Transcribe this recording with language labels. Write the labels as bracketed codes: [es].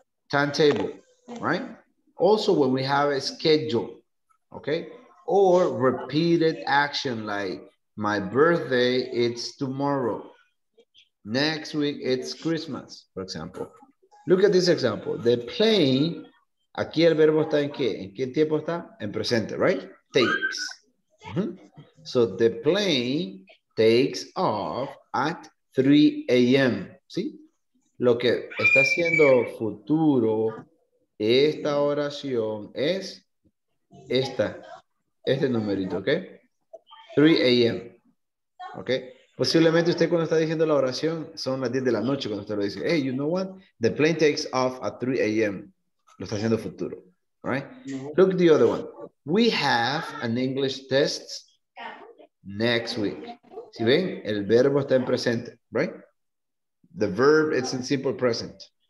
[en] Timetable, right? Also when we have a schedule, okay? Or repeated action like my birthday, it's tomorrow. Next week, it's Christmas, for example. Look at this example. The plane, [es] aquí el verbo está en qué? ¿En qué tiempo está? En presente, [en] right? Takes. [es] Mm-hmm. [en] So the plane takes off at 3 a.m. [es] ¿Sí? Lo que está haciendo futuro, esta oración es esta, este numerito, ¿ok? 3 a.m., ¿ok? Posiblemente usted cuando está diciendo la oración son las 10 de la noche cuando usted lo dice. [en] Hey, you know what? The plane takes off at 3 a.m. [es] Lo está haciendo futuro, [en] right? Look at the other one. We have an English test next week. [es] ¿Sí ven? El verbo está en presente, [en] right? The verb, it's in simple present.